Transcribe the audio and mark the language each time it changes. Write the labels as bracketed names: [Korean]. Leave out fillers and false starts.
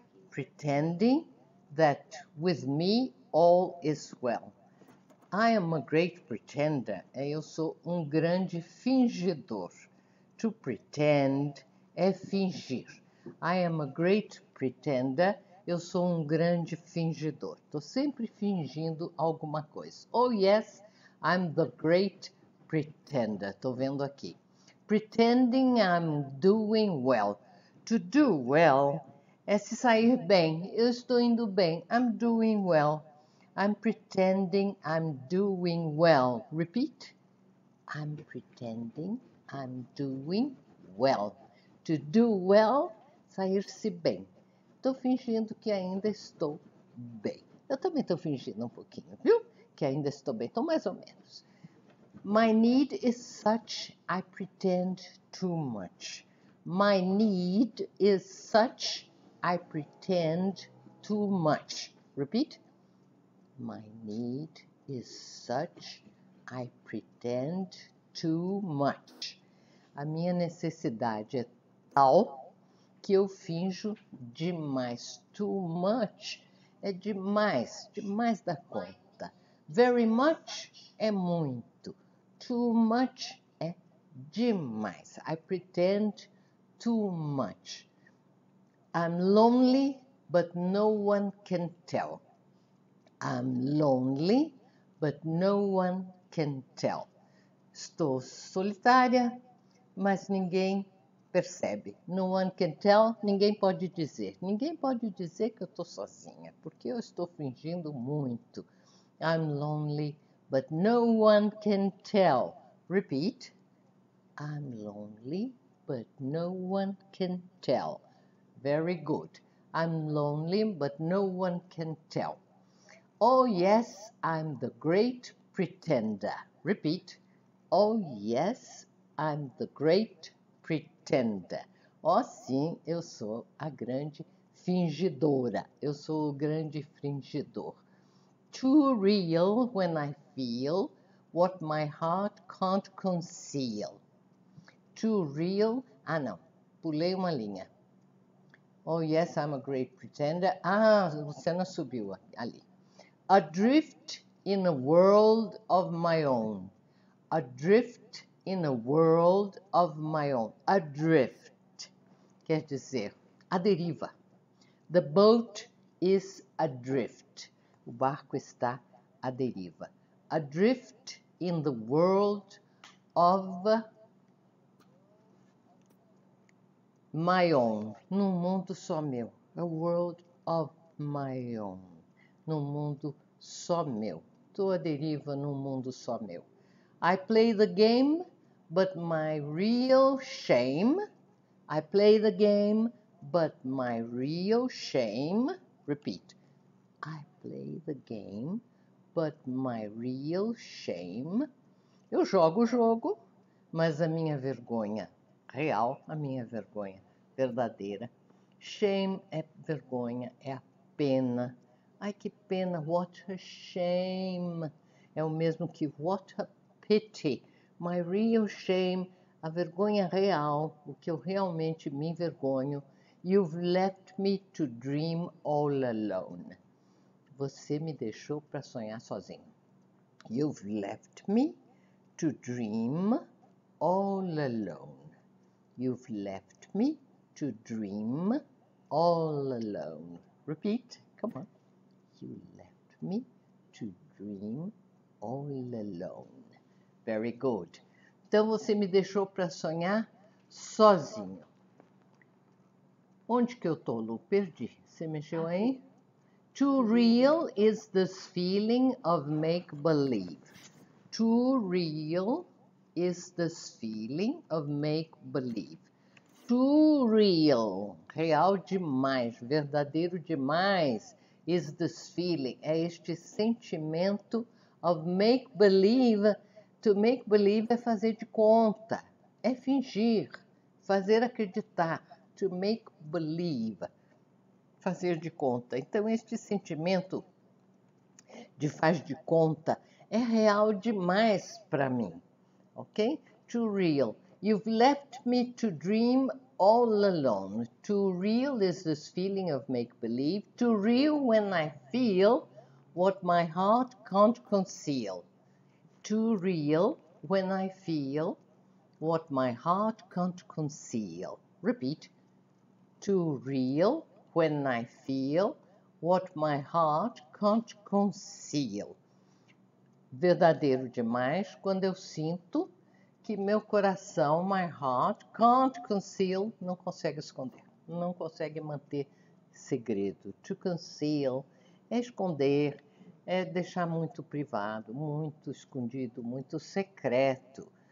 [English] Pretending that with me all is well. I am a great pretender. [Portuguese] Eu sou um grande fingidor. [English] To pretend [Portuguese] é fingir. [English] I am a great pretender. [Portuguese] Eu sou um grande fingidor. Estou sempre fingindo alguma coisa. [English] Oh, yes, I'm the great pretender. [Portuguese] Estou vendo aqui. [English] Pretending I'm doing well. To do well [Portuguese] é se sair bem. Eu estou indo bem. [English] I'm doing well. I'm pretending I'm doing well. Repeat. I'm pretending I'm doing well. To do well, [Portuguese] sair-se bem. Estou fingindo que ainda estou bem. Eu também estou fingindo um pouquinho, viu? Que ainda estou bem. Estou mais ou menos. [English] My need is such, I pretend too much. My need is such, I pretend too much. Repeat. My need is such, I pretend too much. [Portuguese] A minha necessidade é tal que eu finjo demais. Too much é demais, demais da conta. Very much é muito. Too much é demais. [English] I pretend too much. I'm lonely, but no one can tell. I'm lonely, but no one can tell. [Portuguese] Estou solitária, mas ninguém percebe. [English] No one can tell, [Portuguese] ninguém pode dizer. Ninguém pode dizer que eu estou sozinha, porque eu estou fingindo muito. [English] I'm lonely, but no one can tell. Repeat. I'm lonely, but no one can tell. Very good. I'm lonely, but no one can tell. Oh, yes, I'm the great pretender. Repeat. Oh, yes, I'm the great pretender. [Portuguese] Oh, sim, eu sou a grande fingidora. Eu sou o grande fingidor. [English] Too real when I feel what my heart can't conceal. Too real. [Portuguese] Ah, não. Pulei uma linha. [English] Oh, yes, I'm a great pretender. [Portuguese] Ah, Luciana subiu ali. [English] Adrift in a world of my own. Adrift in a world of my own. [Portuguese] Adrift quer dizer a deriva. [English] The boat is adrift. [Portuguese] O barco está à deriva. [English] Adrift in the world of my own. [Portuguese] Num mundo só meu. [English] A world of my own. [Portuguese] Num mundo só meu. Estou à deriva num mundo só meu. [English] I play the game, but my real shame. I play the game, but my real shame. Repeat. I play the game, but my real shame. [Portuguese] Eu jogo o jogo, mas a minha vergonha real, a minha vergonha verdadeira. Shame é vergonha, é a pena. Ai, que pena. [English] What a shame. [Portuguese] É o mesmo que [English] what a pity. My real shame, [Portuguese] a vergonha real, o que eu realmente me envergonho. [English] You've left me to dream all alone. [Portuguese] Você me deixou para sonhar sozinho. [English] You've left me to dream all alone. You've left me to dream all alone. Repeat, come on. You left me to dream all alone. Very good. [Portuguese] Então você me deixou para sonhar sozinho. Onde que eu tô, Lu? Perdi. Você mexeu aí? [English] Too real is this feeling of make-believe. Too real is this feeling of make-believe. Too real, [Portuguese] real demais, verdadeiro demais, [English] is this feeling, [Portuguese] é este sentimento [English] of make-believe. [Portuguese] To make-believe é fazer de conta, é fingir, fazer acreditar. [English] To make-believe. [Portuguese] Fazer de conta. Então, este sentimento de faz de conta é real demais para mim. [English] Ok? Too real. You've left me to dream all alone. Too real is this feeling of make-believe. Too real when I feel what my heart can't conceal. Too real when I feel what my heart can't conceal. Repeat. Too real when I feel what my heart can't conceal. [Portuguese] Verdadeiro demais quando eu sinto que meu coração, [English] my heart, can't conceal, [Portuguese] não consegue esconder, não consegue manter segredo. To conceal é esconder, é deixar muito privado, muito escondido, muito secreto.